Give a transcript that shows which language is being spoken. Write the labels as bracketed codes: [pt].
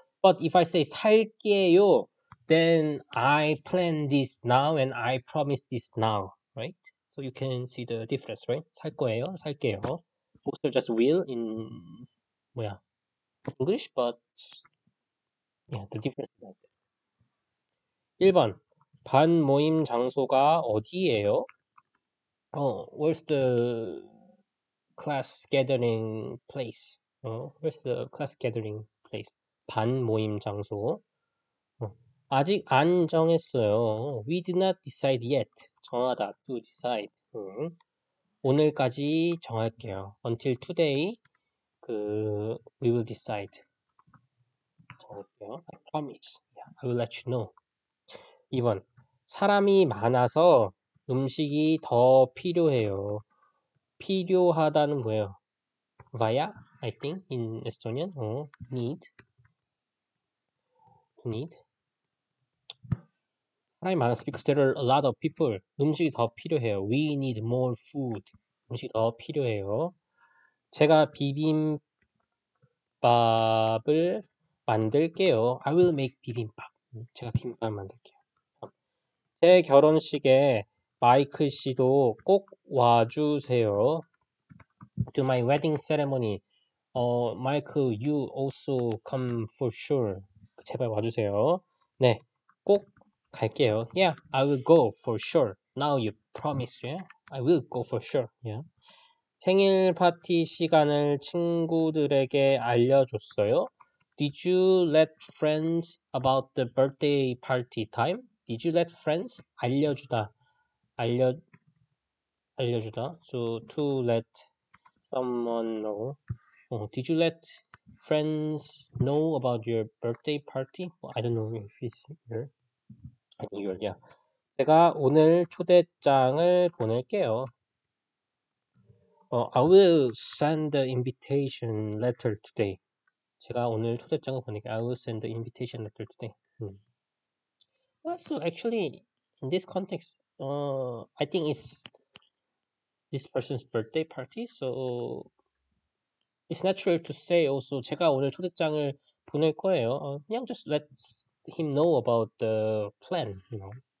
[en] But if I say 살게요. Then I plan this now and I promise this now, right? So you can see the difference, right? 살 거예요, 살게요. Both are just will in 뭐야? English, but yeah, the difference is like that. [ko] 1번. 반 모임 장소가 어디예요? [en] Where's the class gathering place? Where's the class gathering place? [ko] 반 모임 장소. 아직 안 정했어요. [en] We did not decide yet. 정하다. To decide. [ko] 오늘까지 정할게요. [en] Until today, we will decide. 정할게요. I promise. Yeah, I will let you know. 2번. [ko] 사람이 많아서 음식이 더 필요해요. 필요하다는 뭐예요? [en] Vaya, I think, in Estonian. Need. Need. [ko] 사람이 많아서 [en] because there are a lot of people. [ko] 음식이 더 필요해요. [en] We need more food. [ko] 음식이 더 필요해요. 제가 비빔밥을 만들게요. [en] I will make [ko] 비빔밥. 제가 비빔밥 만들게요. 제 결혼식에 마이크 씨도 꼭 와주세요. [en] To my wedding ceremony. Mike, you also come for sure. [ko] 제발 와주세요. 네, 꼭 갈게요. [en] Yeah, I will go for sure. Now you promise, yeah? I will go for sure, yeah? [ko] 생일 파티 시간을 친구들에게 알려줬어요? [en] Did you let friends about the birthday party time? Did you let friends? 알려주다. 알려주다. So, to let someone know. Did you let friends know about your birthday party? Well, I don't know if it's here. [ko] 아니요, 제가 오늘 초대장을 보낼게요. [en] I will send the invitation letter today. [ko] 제가 오늘 초대장을 보낼게요. [en] I will send the invitation letter today. So actually, in this context, I think it's this person's birthday party, so it's natural to say also, [ko] 제가 오늘 초대장을 보낼 거예요. [en] Yeah, just let's him know about the plan, you know.